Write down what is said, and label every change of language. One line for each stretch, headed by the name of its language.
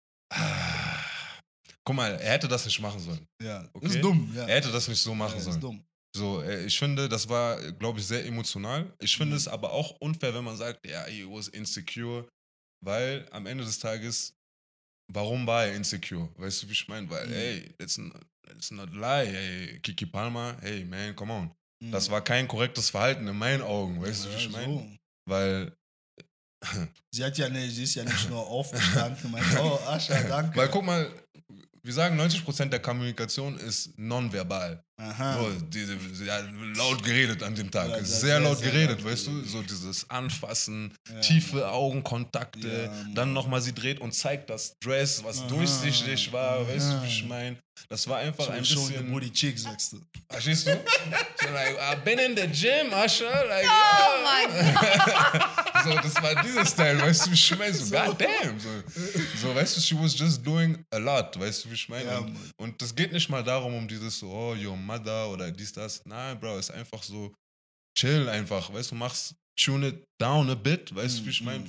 German: Ah, guck mal, er hätte das nicht machen sollen. Ja, okay? Ist dumm. Ja. Er hätte das nicht so machen sollen. Ist dumm. So, ich finde, das war, glaube ich, sehr emotional. Ich finde es aber auch unfair, wenn man sagt, ja,
English: he was insecure.
German: Weil am Ende des Tages, warum war er insecure? Weißt du, wie ich meine?
English: Weil, ey, it's not a lie, hey, Kiki Palmer, hey, man, come on.
German: Das war kein korrektes Verhalten in meinen Augen, weißt du, wie ich meine? So. Weil... sie ist ja nicht nur aufgestanden, meinte, oh, Asher, danke. Weil guck mal, wir sagen, 90% der Kommunikation ist nonverbal. Aha. So, sie hat laut geredet an dem Tag, ja, sehr laut geredet, weißt du? So dieses Anfassen, ja, tiefe Mann. Augenkontakte, ja, dann nochmal sie dreht und zeigt das Dress, was durchsichtig war, weißt du, wie ich meine? Das war einfach ein bisschen... Schon Booty Cheeks, sagst du. Verstehst du?
English: So, like, I've been in the gym, Asher. Like, oh, yeah.
German: Mein Gott. So, das war dieser Style, weißt du, wie ich meine?
English: So, God damn.
German: So, weißt du,
English: she was just doing a lot,
German: weißt du, wie ich meine? Ja, und das geht nicht mal darum, um dieses so,
English: oh, your mother
German: oder dies, das. Nein, Bro, ist einfach so, chill einfach, weißt du,
English: tune it down a bit,
German: weißt du, wie ich meine?